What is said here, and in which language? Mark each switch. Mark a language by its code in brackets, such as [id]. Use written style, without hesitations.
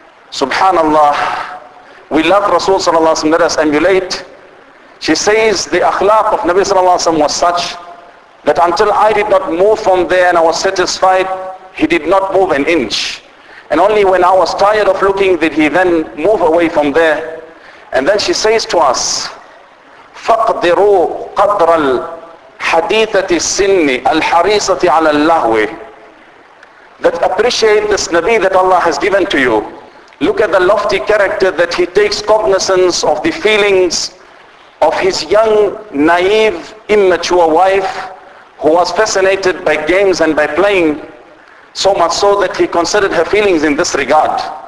[en] Subhanallah, we love Rasul sallallahu alayhi wa sallam, let us emulate. She says the akhlaq of Nabi sallallahu alayhi wa sallam was such that until I did not move from there and I was satisfied, he did not move an inch. And only when I was tired of looking did he then move away from there. And then she says to us, [ar] فَقْدِرُوا قَدْرَ الْحَدِيثَةِ السِّنِّ الْحَرِيصَةِ عَلَى اللَّهْوِ. [en] That appreciate this Nabi that Allah has given to you. Look at the lofty character that he takes cognizance of the feelings of his young, naive, immature wife, who was fascinated by games and by playing, so much so that he considered her feelings in this regard.